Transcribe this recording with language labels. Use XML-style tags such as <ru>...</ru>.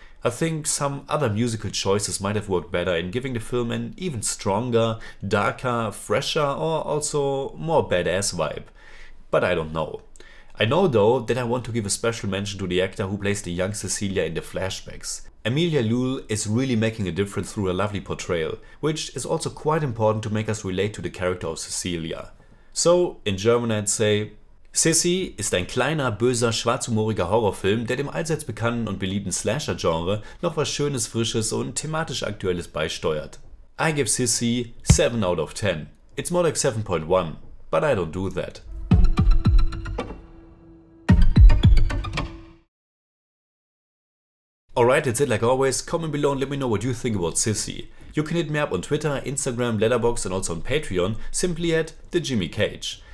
<en>I think some other musical choices might have worked better in giving the film an even stronger, darker, fresher, or also more badass vibe. But I don't know. I know though that I want to give a special mention to the actor who plays the young Cecilia in the flashbacks. Emilia Lule is really making a difference through her lovely portrayal, which is also quite important to make us relate to the character of Cecilia. So, in German I'd say,</en> <de>Sissy ist ein kleiner, böser, schwarzhumoriger Horrorfilm, der dem allseits bekannten und beliebten Slasher-Genre noch was Schönes, Frisches und thematisch Aktuelles beisteuert.</de> <en>I give Sissy 7 out of 10. It's more like 7.1, but I don't do that. Alright, that's it like always. Comment below and let me know what you think about Sissy. You can hit me up on Twitter, Instagram, Letterboxd and also on Patreon, simply at The Jimmy Cage.</en>